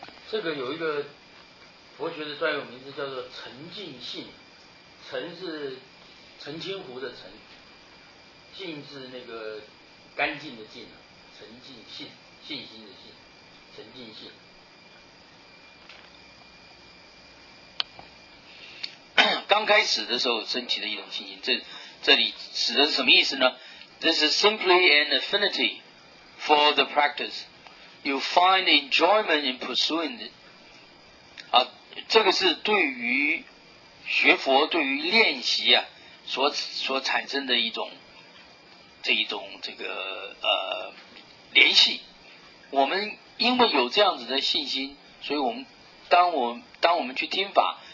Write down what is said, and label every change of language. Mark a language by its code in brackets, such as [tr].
[zh] 这个有一个佛学的专有名字叫做沉浸性，沉是澄清湖的沉，净是那个干净的净，沉浸信，信心的信，沉浸信。刚开始的时候升起的一种信心，这里指的是什么意思呢？ [en] This is simply an affinity for the practice. You find enjoyment in pursuing it. [zh] 啊，这个是对于学佛、对于练习啊，所产生的一种这个联系。我们因为有这样子的信心，所以当我们去听法。